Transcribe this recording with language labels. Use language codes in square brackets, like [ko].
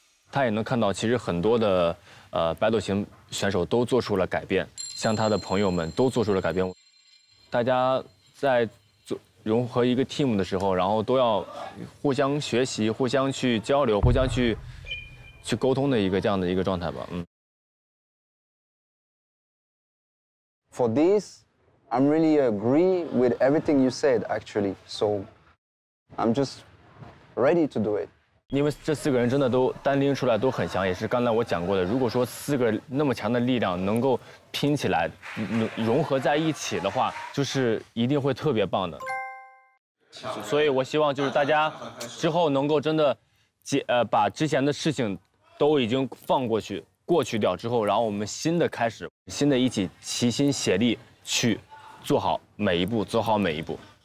[zh] 他也能看到，其实很多的battle型选手都做出了改变。像他的朋友们都做出了改变，大家在融合一个 team 的时候，然后都要互相学习、互相去交流、互相去沟通的一个这样的一个状态吧。嗯。 [en] For this, I'm really agree with everything you said, actually. So I'm just ready to do it. [zh] 因为这四个人真的都单拎出来都很强，也是刚才我讲过的。如果说四个那么强的力量能够拼起来，融合在一起的话，就是一定会特别棒的。所以我希望就是大家之后能够真的把之前的事情都已经放过去，过去掉之后，然后我们新的开始，新的一起齐心协力去做好每一步，走好每一步。